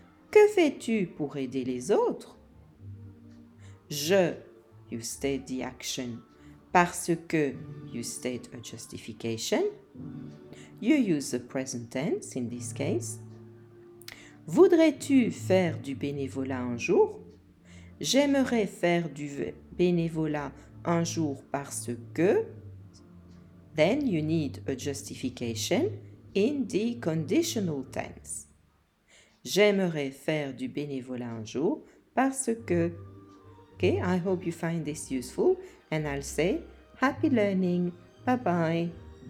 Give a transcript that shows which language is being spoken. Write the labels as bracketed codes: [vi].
[fr] Que fais-tu pour aider les autres? Je, [en] you state the action, [fr] parce que, [en] you state a justification. You use the present tense in this case. [fr] Voudrais-tu faire du bénévolat un jour? J'aimerais faire du bénévolat un jour parce que... [en] Then you need a justification in the conditional tense. [fr] J'aimerais faire du bénévolat un jour parce que... [en] Okay, I hope you find this useful and I'll say happy learning. Bye-bye.